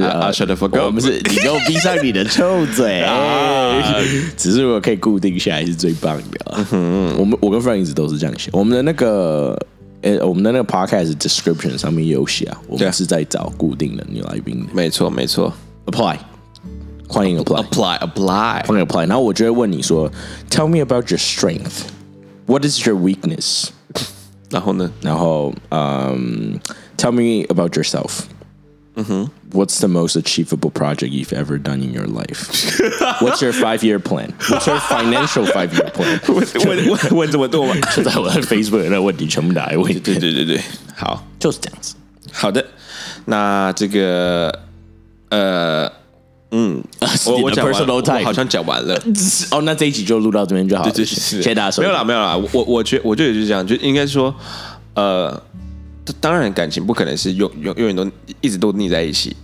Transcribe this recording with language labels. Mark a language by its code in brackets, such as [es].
[en] shut the fuck up， [zh] 我们是你给我闭上你的臭嘴。只是如果可以固定下来是最棒的。我跟 friend 一直都是这样想，我们的那个。我们的那个 podcast description 上面有写啊，我们是在找固定的女来宾的。没错，没错。 Apply， 欢迎 apply， 欢迎 apply。然后我就会问你说 ， [en] Tell me about your strength. What is your weakness？ [zh] 然后呢？然后 [en] Tell me about yourself. 嗯哼。 What's the most achievable project you've ever done in your life? What's your five-year plan? What's your financial five-year plan? [zh] 问这么多吗？就在我的 Facebook 那问题全部打来问。对对对对，好，就是这样子。好的，那这个我讲完了，我好像讲完了。哦，那这一集就录到这边就好了。对对对，谢谢大家收听。没有啦，没有啦，我觉得就是这样，就应该说，当然感情不可能是永远都一直都腻在一起。